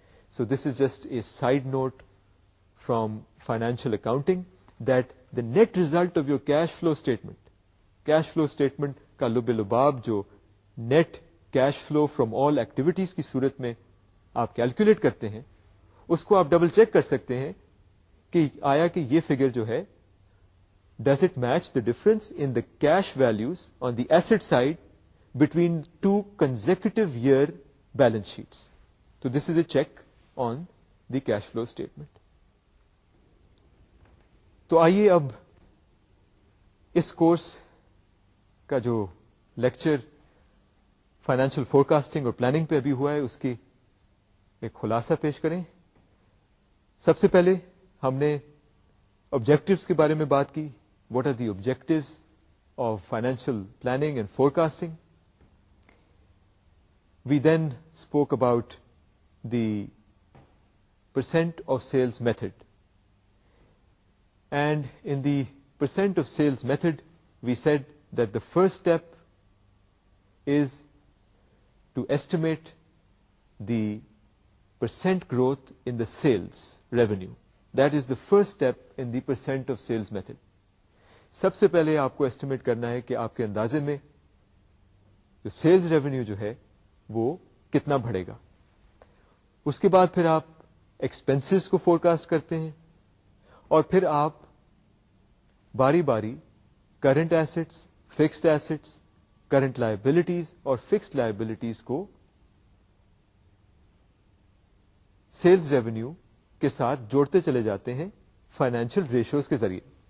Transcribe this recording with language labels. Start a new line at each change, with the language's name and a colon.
English: So this is just a side note from financial accounting, that the net result of your cash flow statement, cash flow statement
Urdu: ka lubbe lubab jo
English: net cash flow from all activities
Urdu: کی صورت میں آپ calculate کرتے ہیں, اس کو آپ double check کر سکتے ہیں کہ آیا کہ یہ figure جو ہے
English: does it match the difference in the cash values on the asset side between two consecutive year balance sheets. So this is a check on the cash flow statement.
Urdu: تو آئیے اب اس کورس کا جو lecture financial forecasting اور planning پہ ابھی ہوا ہے اس کی ایک خلاصہ پیش کریں. سب سے پہلے ہم نے آبجیکٹیوز کے بارے میں بات کی.
English: What are the objectives of financial planning and forecasting? we then spoke about the percent of sales method. And in the percent of sales method, we said that the first step is to estimate the percent growth in the sales revenue. That is the first step in the percent of sales method.
Urdu: سب سے پہلے آپ کو estimate کرنا ہے کہ آپ کے اندازے میں جو سیلز ریونیو جو ہے وہ کتنا بڑھے گا. اس کے بعد پھر آپ ایکسپنسز کو فورکاسٹ کرتے ہیں اور پھر آپ باری باری current assets, fixed assets, current liabilities اور فکسڈ لائبلٹیز کو سیلز ریونیو کے ساتھ جوڑتے چلے جاتے ہیں فائنینشیل ریشیوز کے ذریعے.